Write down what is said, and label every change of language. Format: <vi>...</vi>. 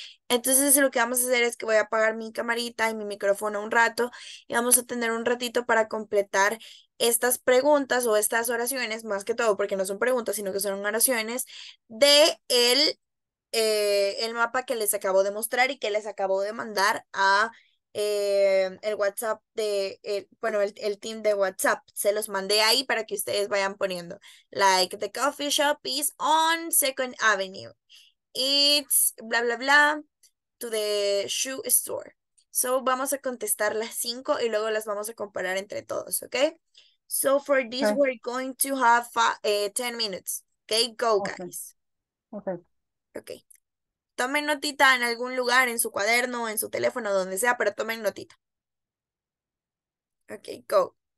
<es>Entonces lo que vamos a hacer es que voy a apagar mi camarita y mi micrófono un rato, y vamos a tener un ratito para completar estas preguntas o estas oraciones, más que todo, porque no son preguntas, sino que son oraciones, de el mapa que les acabo de mostrar y que les acabo de mandar a el WhatsApp el team de WhatsApp. Se los mandé ahí para que ustedes vayan poniendo.</es> <en>Like, the coffee shop is on Second Avenue. It's bla, bla, bla, to the shoe store.</en> <es>So, vamos a contestar las 5 y luego las vamos a comparar entre todos, ¿ok?</es> <en>So for this, okay. We're going to have 10 minutes. Okay, go, guys. Okay. Okay.</en> <es>tomen notita en algún lugar, en su cuaderno, en su teléfono, donde sea, pero tomen notita.</es> <en>Okay, go.</en>